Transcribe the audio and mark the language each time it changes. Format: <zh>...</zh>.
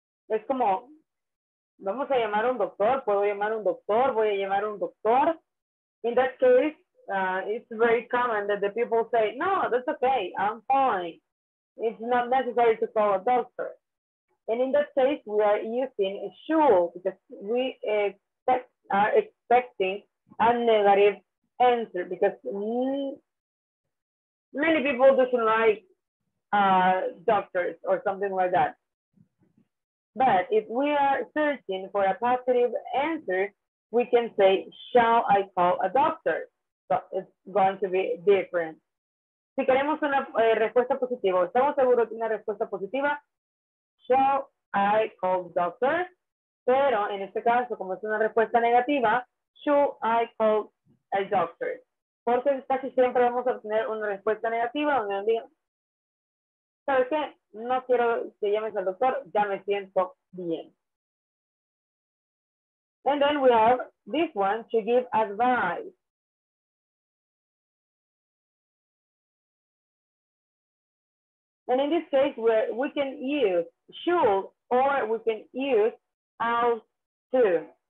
<es>Es como, vamos a llamar a un doctor, puedo llamar a un doctor, voy a llamar a un doctor.</es> <en>In that case, it's very common that the people say, no, that's okay, I'm fine. It's not necessary to call a doctor. And in that case, we are using a should because we are expecting a negative answer because many people doesn't like doctors or something like that. But if we are searching for a positive answer, we can say, shall I call a doctor? So it's going to be different.</en> <es>Si queremos una respuesta positiva, estamos seguros de una respuesta positiva,</es> <en>shall I call the doctor?</en> <es>Pero en este caso, como es una respuesta negativa,</es> <en>should I call a doctor?</en> <es>Porque casi siempre vamos a obtener una respuesta negativa donde nos digan, ¿sabes qué? No quiero que llames al doctor, ya me siento bien.</es> <en>And then we have this one to give advice. And in this case, we can use should or we can use how to.</en>